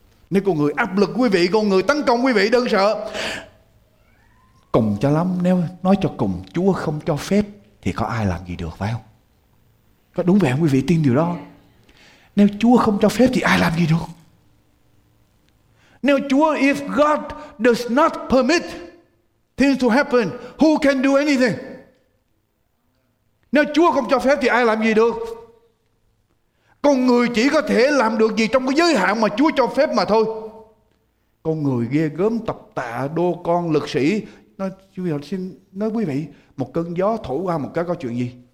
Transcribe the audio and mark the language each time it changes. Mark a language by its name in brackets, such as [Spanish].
[Vietnamese] Nếu con người áp lực quý vị, con người tấn công quý vị, đừng sợ. Cùng cho lắm, nếu nói cho cùng Chúa không cho phép thì có ai làm gì được phải không? Có đúng vậy không? Quý vị tin điều đó. Nếu Chúa không cho phép thì ai làm gì được? Nếu Chúa, [English] if God does not permit things to happen, who can do anything? [Vietnamese] Nếu Chúa không cho phép thì ai làm gì được? Con người chỉ có thể làm được gì trong cái giới hạn mà Chúa cho phép mà thôi. Con người ghê gớm, tập tạ, đô con, lực sĩ. Nói, xin nói quý vị, một cơn gió thổi qua một cái có chuyện gì?